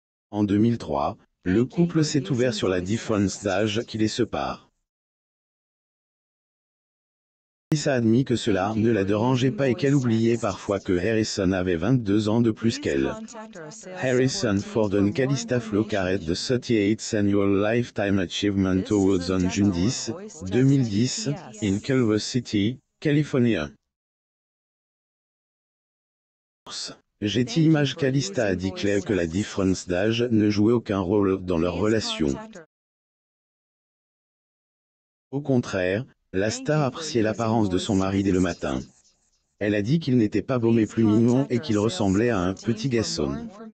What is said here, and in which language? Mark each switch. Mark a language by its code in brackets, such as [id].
[fr] En 2003, le couple s'est ouvert sur la différence d'âge qui les sépare. Elle a admis que cela ne la dérangeait pas et qu'elle oubliait parfois que Harrison avait 22 ans de plus qu'elle. Harrison Ford et Calista Flockhart de [en] 38th Annual Lifetime Achievement Awards on June 10, 2010, in Culver City, California. Getty Images. [fr] Calista a dit clair que la différence d'âge ne jouait aucun rôle dans leur relation. Au contraire, la star appréciait l'apparence de son mari dès le matin. Elle a dit qu'il n'était pas beau mais plus mignon et qu'il ressemblait à un petit garçon.